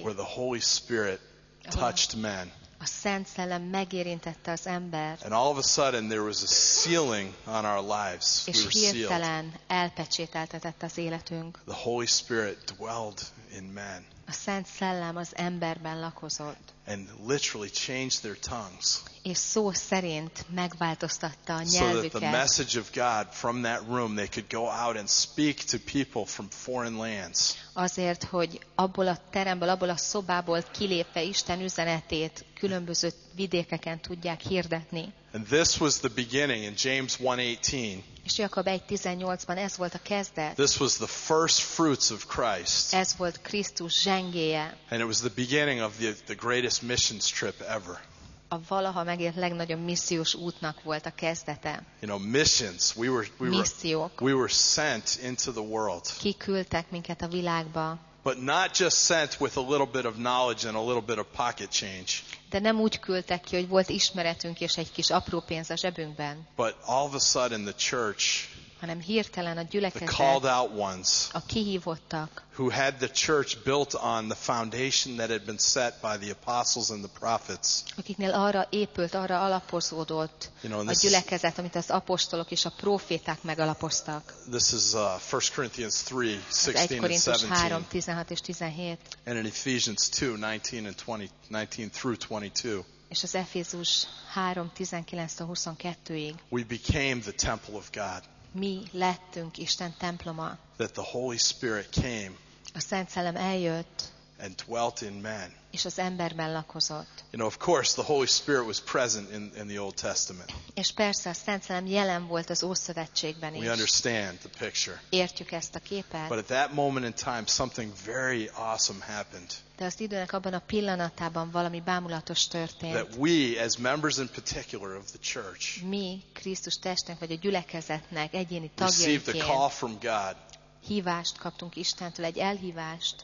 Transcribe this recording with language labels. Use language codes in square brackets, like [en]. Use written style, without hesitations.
[en] where the Holy Spirit touched men. [hu] A Szent Szellem megérintette az embert. [en] And all of a sudden there was a sealing on our lives. [hu] És hirtelen elpecsételtetett az életünk. [en] The Holy Spirit dwelled in men. [hu] A Szent Szellem az emberben lakozott. [en] And literally changed their tongues. [hu] És szó szerint megváltoztatta a nyelvüket. [en] So that the message of God from that room, they could go out and speak to people from foreign lands. [hu] Azért, hogy abból a teremből, abból a szobából kilépve Isten üzenetét különböző vidékeken tudják hirdetni. [en] And this was the beginning in James 1:18. [hu] És Jakab 1:18-ban ez volt a kezdet. [en] This was the first fruits of Christ. [hu] Ez volt Krisztus zsengéje. [en] And it was the beginning of the greatest missions trip ever. [hu] A valaha megélt legnagyobb missziós útnak volt a kezdete. [en] You know, missions. We were sent into the world. [hu] Kiküldtek minket a világba. [en] But not just sent with a little bit of knowledge and a little bit of pocket change. [hu] De nem úgy küldtek ki, hogy volt ismeretünk és egy kis apró pénz a zsebünkben. [en] But all of a sudden the church, [hu] hanem hirtelen a gyülekezet, [en] the called out ones, [hu] a kihívottak, [en] who had the church built on the foundation that had been set by the apostles and the prophets. [hu] Akiknél arra épült, arra alapozódott, [en] you know, [hu] a gyülekezet, [en] this, [hu] amit az apostolok és a proféták megalapoztak. [en] This is 1 Corinthians 3:16-17. And in Ephesians 2:19-20, 19-22. [hu] És az Efézus 3:19-22-ig. [en] We became the temple of God. [hu] Mi lettünk Isten temploma. [en] That the Holy Spirit came. [hu] A Szent Szellem eljött. [en] And dwelt in men. [hu] És az emberben lakozott. [en] You know, of course, the Holy Spirit was present in the Old Testament. [hu] És persze a Szent Szellem jelen volt az Ószövetségben is. [en] We understand the picture. [hu] Értjük ezt a képet. [en] But at that moment in time, something very awesome happened. [hu] De az időnek abban a pillanatában valami bámulatos történt. [en] That we, as members in particular of the church, [hu] mi, Krisztus testnek vagy a gyülekezetnek egyéni tagjaiként, [en] received a call from God. [hu] Hívást kaptunk Istentől, egy elhívást.